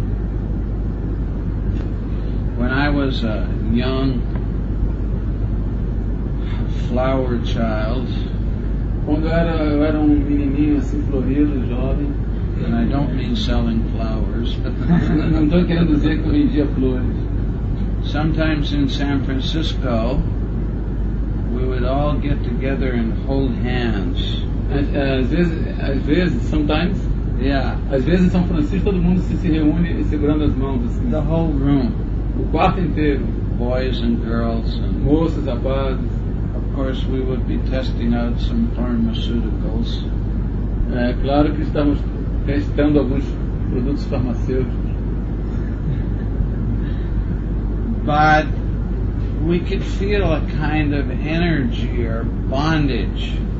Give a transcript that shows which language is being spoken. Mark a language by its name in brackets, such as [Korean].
[English] When I was a young flower child. [Portuguese] Quando eu era um menininho assim florido, jovem. [English] And I don't mean selling flowers. [Portuguese] Não estou querendo dizer que eu vendia flores. [English] Sometimes in San Francisco, we would all get together and hold hands. [Portuguese] Às vezes. [English] Yeah. [Portuguese] Às vezes em São Francisco todo mundo se reúne segurando as mãos assim. [English] The whole room. [Portuguese] O quarto inteiro. [English] Boys and girls. And [Portuguese] moças, rapazes. [English] Of course, we would be testing out some pharmaceuticals. [Portuguese] É claro que estamos testando alguns produtos farmacêuticos. [English] But we could feel a kind of energy or bondage.